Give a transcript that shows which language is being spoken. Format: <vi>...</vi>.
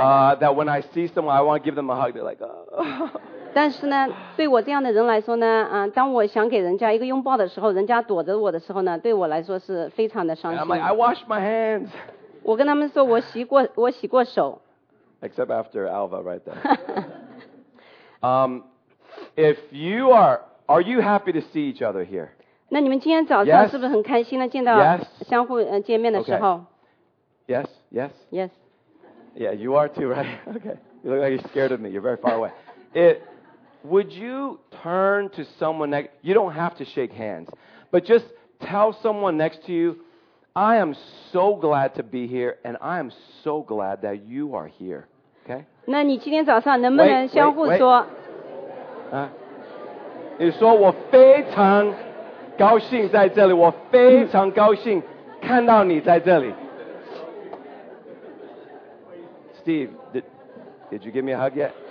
<en>That when I see someone I want to give them a hug they're like</en> <zh>但是呢对我这样的人来说呢当我想给人家一个拥抱的时候人家躲着我的时候呢对我来说是非常的伤心</zh> <en>I'm like, I washed my hands.</en> <zh>我跟他们说我洗过手</zh> <en>Except after Alva right there If you are you happy to see each other here?</en> <zh>那你们今天早上是不是很开心呢见到相互见面的时候</zh> <en>Yes, yes, yes. Yeah, you are too, right? Okay, you look like you're scared of me, you're very far away ItWould you turn to someone next? You don't have to shake hands, but just tell someone next to you, I am so glad to be here, and I am so glad that you are here. Okay?</en> <zh>那你今天早上能不能相互说？你说我非常高兴在这里，我非常高兴看到你在这里。</zh> <en>Steve, did you give me a hug yet?</en>